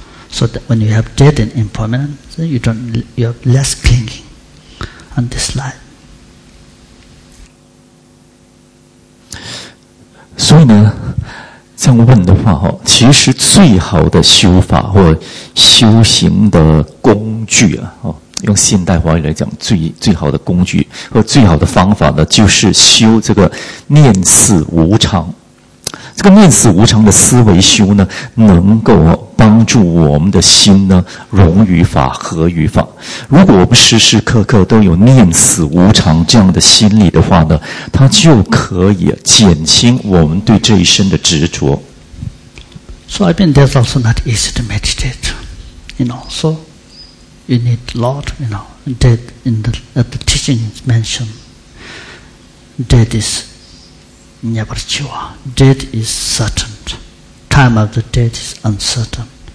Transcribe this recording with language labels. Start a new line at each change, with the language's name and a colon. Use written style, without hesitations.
English: So that when you have dead and impermanent, then you have less clinging on this life.
Chinese: 所以呢，这样问的话，其实最好的修法或修行的工具啊，用现代话语来讲，最好的工具和最好的方法呢，就是修这个念死无常。这个念死无常的思维修呢，能够帮助我们的心呢，容于法合于法。如果我们时时刻刻都有念死无常这样的心理的话呢，它就可以减轻我们对这一生的执着。
English: So I mean, that's also not easy to meditate, you know. So you need a lot, you know. Dead in the teaching is mentioned. Dead is. Nyabarachiwa. Dead is certain. Time of the dead is uncertain.